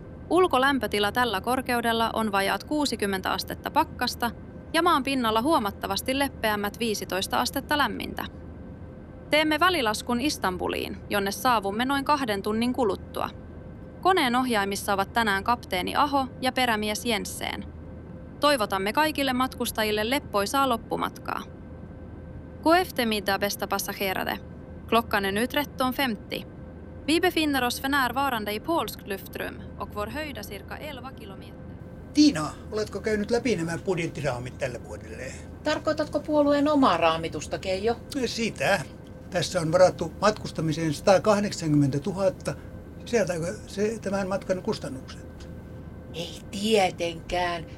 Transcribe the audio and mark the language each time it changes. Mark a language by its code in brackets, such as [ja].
[fi] Ulkolämpötila tällä korkeudella on vajaat 60 astetta pakkasta ja maan pinnalla huomattavasti leppeämmät 15 astetta lämmintä. Teemme välilaskun Istanbuliin, jonne saavumme noin 2 tunnin kuluttua. Koneen ohjaimissa ovat tänään kapteeni Aho ja perämies Jensen. Toivotamme kaikille matkustajille leppoisaa loppumatkaa. [sv] Kuo eftermiddag bästa passagerare. Klockan är nu 13.50. Vi befinner oss för närvarande i polsk luftrum och vår höjd är cirka 11 kilometer. [fi] Tiina, oletko käynyt läpi nämä budjettiraamit tälle vuodelle? Tarkoitatko puolueen omaa raamitusta, Keijo? Sitä. Tässä on varattu matkustamiseen 180 000. Sieltäkö se tämän matkan kustannukset? Ei tietenkään.